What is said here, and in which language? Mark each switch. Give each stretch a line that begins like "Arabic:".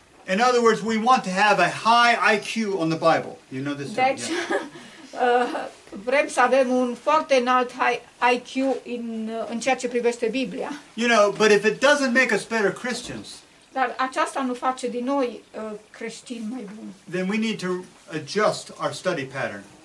English: In other words, we want to have a high IQ on the Bible. You know this.
Romanian: Deci, Vrem să avem un foarte înalt IQ în ceea ce privește Biblia.
English: You know, but if it doesn't make us better Christians.
Romanian: Dar aceasta nu face din noi creștini mai buni.
English: Then we need to adjust our study pattern.